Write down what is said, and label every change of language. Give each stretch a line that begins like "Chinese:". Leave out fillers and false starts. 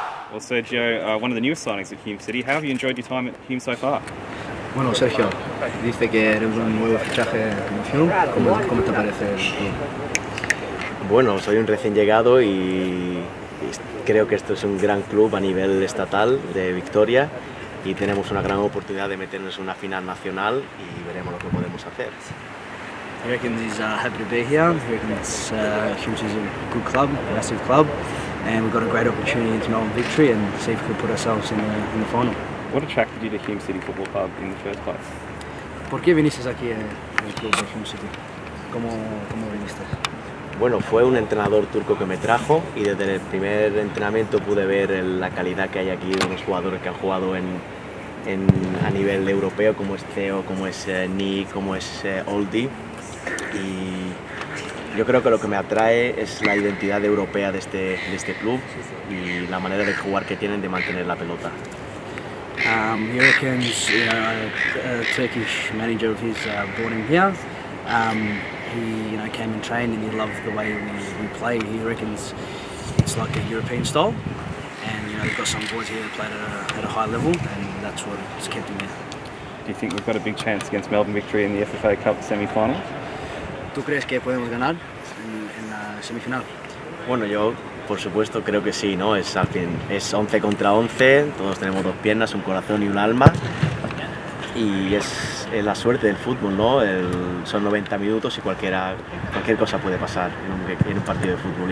English: Well, Sergio, one of the newest signings at Hume City. How have you enjoyed your time at Hume so far?
Spanish: Bueno, Sergio, dice que eres un nuevo fichaje en Hume. ¿Cómo te parece? Bueno, soy un recién llegado y creo que esto es un gran club a nivel estatal de Victoria y tenemos una gran oportunidad de meternos en una final nacional y veremos lo que podemos hacer.
English: I reckon he's happy to be here. I reckon it's huge, is a good club, massive club, and we've got a great opportunity to Melbourne Victory and see if we can put ourselves in the final. What attracted you to Hume City Football Club in the first place?
Spanish: ¿Por qué viniste aquí al club de Hume City? ¿Cómo viniste? Bueno, fue un entrenador turco que me trajo y desde el primer entrenamiento pude ver la calidad que hay aquí de los jugadores que han jugado a nivel europeo, como es Theo, como es Nick, como es Oldie. Y yo creo que lo que me atrae es la identidad europea de este club y la manera de jugar que tienen de mantener la pelota.
English: He reckons, a Turkish manager of his brought him here. He came and trained and he loved the way we play. He reckons it's like a European style and we've got some boys here that played at a high level and that's what's kept him here. Do you think we've got a big chance against Melbourne Victory in the FFA Cup semi-final?
Spanish: ¿Tú crees que podemos ganar en la semifinal? Bueno, yo por supuesto creo que sí, ¿no? Es 11 contra 11, todos tenemos dos piernas, un corazón y un alma. Y es la suerte del fútbol, ¿no? Son 90 minutos y cualquier cosa puede pasar en un partido de fútbol.